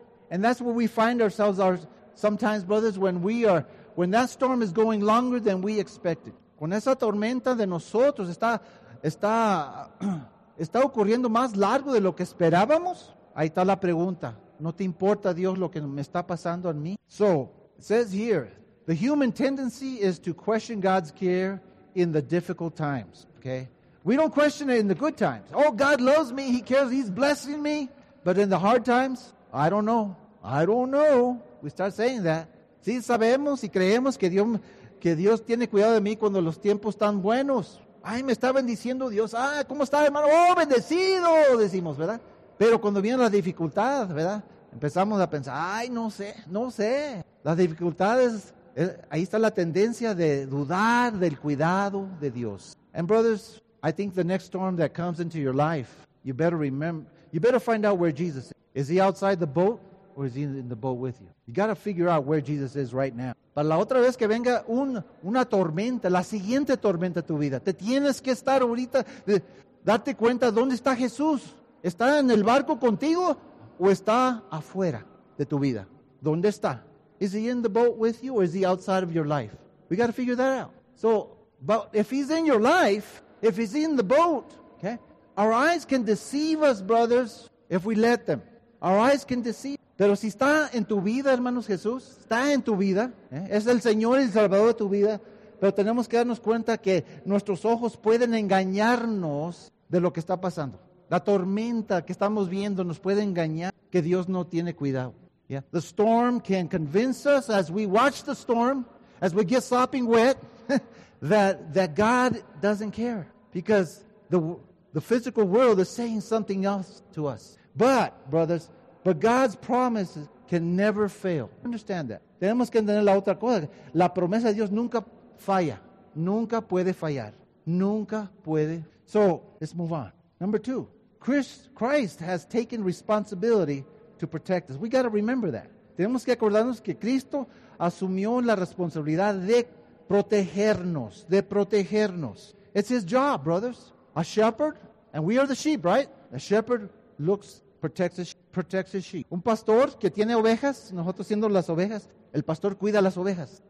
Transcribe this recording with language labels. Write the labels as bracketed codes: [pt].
[en] And that's where we find ourselves sometimes, brothers, when that storm is going longer than we expected. [es] Con esa tormenta de nosotros está ocurriendo más largo de lo que esperábamos. Ahí está la pregunta. ¿No te importa, Dios, lo que me está pasando a mí? [en] So, it says here, the human tendency is to question God's care in the difficult times. Okay? We don't question it in the good times. Oh, God loves me. He cares. He's blessing me. But in the hard times, I don't know. We start saying that. [es] Sí, sabemos y creemos que Dios tiene cuidado de mí cuando los tiempos están buenos. Ay, me está bendiciendo Dios. Ah, ¿cómo está, hermano? Oh, bendecido, decimos, ¿verdad? Pero cuando viene la dificultad, ¿verdad? Empezamos a pensar, ay, no sé. Las dificultades, ahí está la tendencia de dudar del cuidado de Dios. [en] And brothers, I think the next storm that comes into your life, you better find out where Jesus is. Is he outside the boat or is he in the boat with you? You got to figure out where Jesus is right now. [es] Para la otra vez que venga una tormenta, la siguiente tormenta a tu vida, te tienes que estar ahorita, darte cuenta dónde está Jesús. ¿Está en el barco contigo o está afuera de tu vida? ¿Dónde está? [en] Is he in the boat with you or is he outside of your life? We got to figure that out. So, but if he's in your life, if he's in the boat, okay, our eyes can deceive us, brothers. If we let them, our eyes can deceive. [es] Pero si está en tu vida, hermanos, Jesús, está en tu vida, es el Señor y el Salvador de tu vida, pero tenemos que darnos cuenta que nuestros ojos pueden engañarnos de lo que está pasando. La tormenta que estamos viendo nos puede engañar que Dios no tiene cuidado. [en] Yeah. The storm can convince us as we watch the storm, as we get sopping wet, that God doesn't care. Because the physical world is saying something else to us. But, brothers, but God's promises can never fail. Understand that. [es] Tenemos que entender la otra cosa. La promesa de Dios nunca falla. Nunca puede fallar. Nunca puede. [en] So, let's move on. Number two. Christ has taken responsibility to protect us. We got to remember that. [es] Tenemos que acordarnos que Cristo asumió la responsabilidad de protegernos. De protegernos. [en] It's his job, brothers. A shepherd, and we are the sheep, right? A shepherd protects his sheep. [es] Un pastor que tiene ovejas, nosotros siendo las ovejas, el pastor cuida las ovejas.